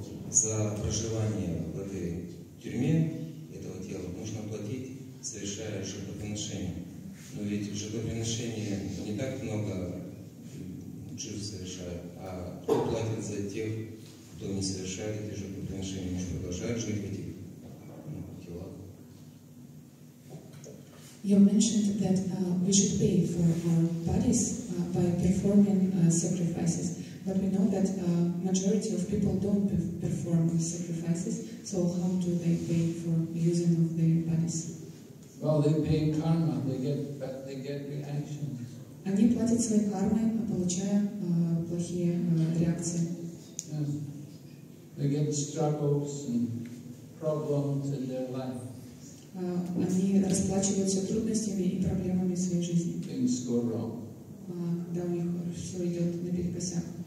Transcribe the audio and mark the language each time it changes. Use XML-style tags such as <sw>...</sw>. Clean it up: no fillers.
<ru>За проживание в этой тюрьме, этого тела, можно платить, совершая жертвоприношение. Но ведь жертвоприношение не так много джив совершает, а кто платит за тех, кто не совершает эти жертвоприношения, может продолжать жить в этих телах?</ru> <en>You mentioned that we should pay for our bodies by performing sacrifices. But we know that majority of people don't perform sacrifices, so how do they pay for using of their bodies? Well, they pay karma, they get reactions.</en> <ru>Они платят своей кармой, получая плохие реакции.</ru> <en>Yes. They get struggles and problems in their life.</en> <ru>Они расплачиваются трудностями и проблемами в своей жизни.</ru> <en>Things go wrong.</en> <ru>Когда у них все идет наперекосяк.</ru>